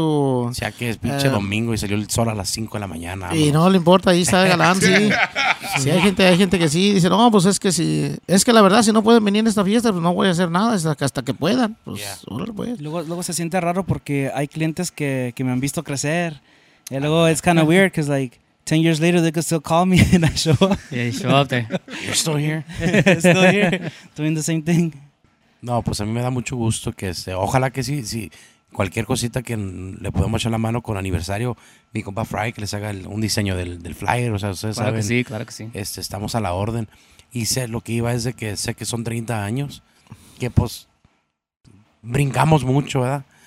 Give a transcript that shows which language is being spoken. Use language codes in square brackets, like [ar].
[es] O sea, que es pinche domingo y salió el sol a las 5 de la mañana. Y no le importa, ahí está el galán, sí. Sí, hay gente que sí, dice, no, pues es que la verdad, si no pueden venir a esta fiesta, pues no voy a hacer nada, hasta que puedan. Pues, Luego se siente raro porque hay clientes que me han visto crecer. Y luego, [en] it's kind of weird, because like, 10 years later, they could still call me and I show up. Yeah, you show up there. You're still here. Still here, doing the same thing. [es] No, pues a mí me da mucho gusto que ojalá que sí, cualquier cosita que le podemos echar la mano con aniversario, mi compa Fry, que les haga un diseño del flyer, o sea, ustedes claro saben. Claro que sí, claro que sí. Estamos a la orden. Y sé, lo que iba es de que sé que son 30 años, que pues, brincamos mucho, ¿verdad?